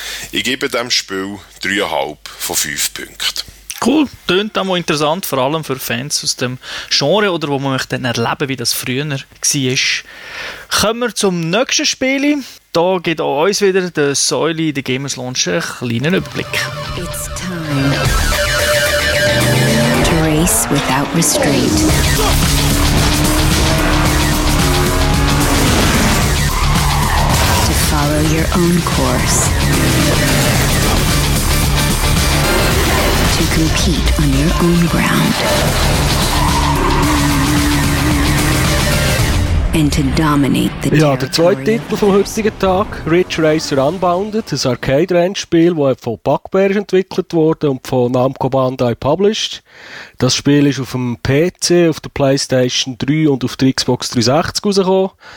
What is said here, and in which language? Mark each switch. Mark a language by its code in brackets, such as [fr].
[de] Ich gebe dem Spiel 3,5 von 5 Punkten. Cool, klingt auch mal interessant, vor allem für Fans aus dem Genre oder wo man möchte erleben, wie das früher war. Kommen wir zum nächsten Spiel. Da gibt auch uns wieder der Säuli in der Gamers Launch einen kleinen Überblick. [en] It's time to race without restraint. To follow your own course. Compete on your own ground and to dominate the territory. [de] Ja, der zweite Titel vom heutigen Tag, Ridge Racer Unbounded, ein Arcade-Rennspiel, das von Bugbear entwickelt wurde und von Namco Bandai published. Das Spiel ist auf dem PC, auf der PlayStation 3 und auf der Xbox 360 rausgekommen.